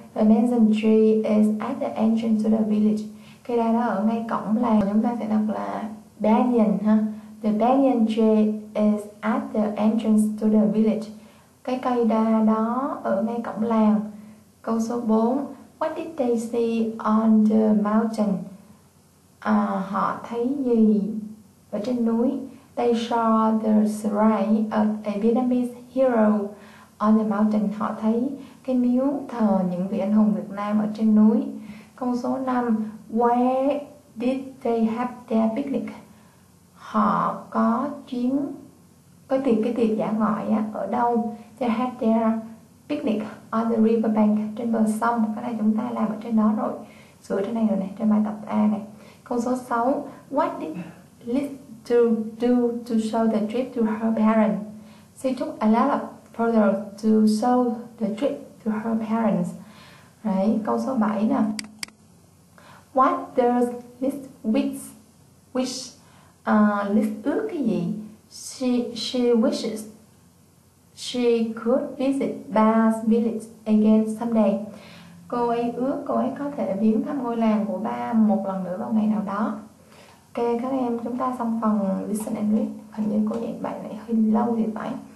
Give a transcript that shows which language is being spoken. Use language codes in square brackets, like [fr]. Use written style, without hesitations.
[en] The benzen tree is at the entrance to the village. [vi] Cây đa đó ở ngay cổng làng. Chúng ta sẽ đọc là benzen ha. [en] The banyan tree is at the entrance to the village. [vi] Cái cây đa đó ở ngay cổng làng. Câu số 4. [en] What did they see on the mountain? [vi] Họ thấy gì ở trên núi? [en] They saw the shrine of a Vietnamese hero on the mountain. [vi] Họ thấy cái miếu thờ những vị anh hùng Việt Nam ở trên núi. Câu số 5. [en] Where did they have their picnic? [vi] Họ có chuyến, có tiệc, cái tiệc dã ngoại á, ở đâu? [en] They had their picnic on the river bank, [vi] trên bờ sông. Cái này chúng ta làm ở trên đó rồi, sửa trên này rồi này, trên bài tập A này. Câu số 6. [en] What did Liz to do to show the trip to her parents? She took a lot of photos to show the trip to her parents. [vi] Đấy, câu số 7 nè. [en] What does Liz wish? [vi] Liz ước cái gì? [en] She wishes she could visit Ba's village again someday. [vi] Cô ấy ước cô ấy có thể viếng thăm ngôi làng của ba một lần nữa vào ngày nào đó. Ok các em, chúng ta xong phần [en] listen and read. [vi] Hình như cô dạy bài này hơi lâu thì phải.